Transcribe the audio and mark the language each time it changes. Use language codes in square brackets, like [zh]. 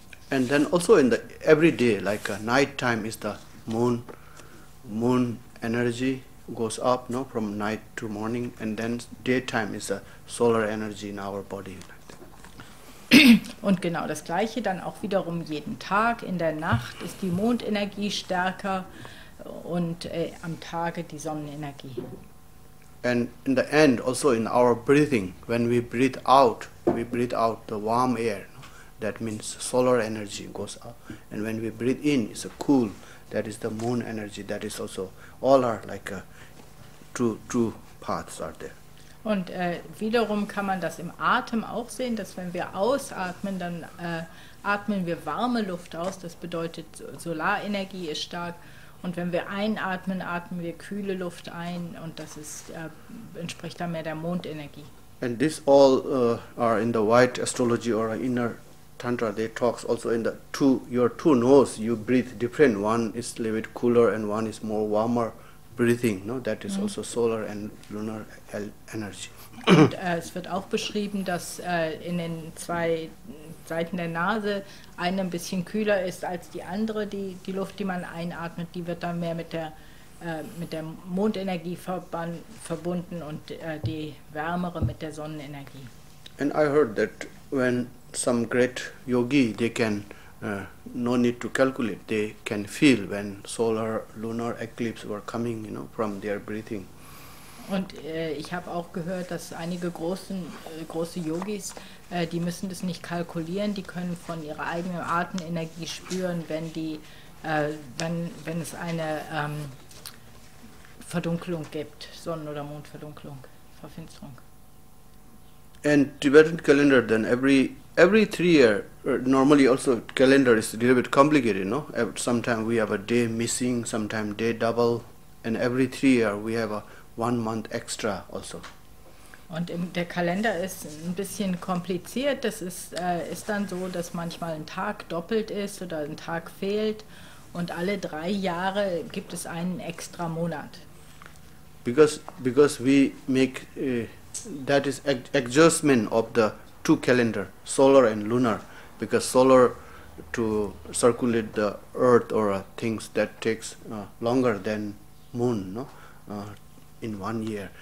[en] And then also in the every day, like night time, is the moon energy goes up, no, from night to morning, and then daytime is the solar energy in our body. [de] Und genau das Gleiche dann auch wiederum jeden Tag. In der Nacht ist die Mondenergie stärker und am Tage die Sonnenenergie. [en] And in the end, also in our breathing, when we breathe out the warm air. That means solar energy goes up. And when we breathe in, it's a cool. That is the moon energy. That is also all are like two paths are there. [de] Und wiederum kann man das im Atem auch sehen, dass wenn wir ausatmen, dann atmen wir warme Luft aus. Das bedeutet, Solarenergie ist stark. Und wenn wir einatmen, atmen wir kühle Luft ein. Und das ist, entspricht dann mehr der Mondenergie. [en] And this all are in the white astrology or inner tantra. They talks also in the your two nose, you breathe different. One is a little bit cooler and one is more warmer. Breathing, no? That is also solar and lunar energy. [de] Und es wird auch beschrieben, dass in den zwei Seiten der Nase eine ein bisschen kühler ist als die andere. Die Luft, die man einatmet, die wird dann mehr mit der Mondenergie verbunden und die wärmere mit der Sonnenenergie. [en] And I heard that when some great yogi, they can no need to calculate, they can feel when solar lunar eclipse were coming, you know, from their breathing. [de] Und ich habe auch gehört, dass einige große Yogis, die müssen das nicht kalkulieren, die können von ihrer eigenen Atemenergie spüren, wenn es eine Verdunkelung gibt, Sonnen- oder Mondverdunkelung, Verfinsterung. [en] And Tibetan calendar then every 3 year, normally also calendar is a little bit complicated, no? Sometimes we have a day missing, sometimes day double, and every 3 year we have a one month extra also. [de] Und der Kalender ist ein bisschen kompliziert. Das ist dann so, dass manchmal ein Tag doppelt ist oder ein Tag fehlt. Und alle drei Jahre gibt es einen extra Monat. [en] Because we make that is adjustment of the two calendar, solar and lunar. Because solar to circulate the earth or things that takes longer than moon, no? In one year.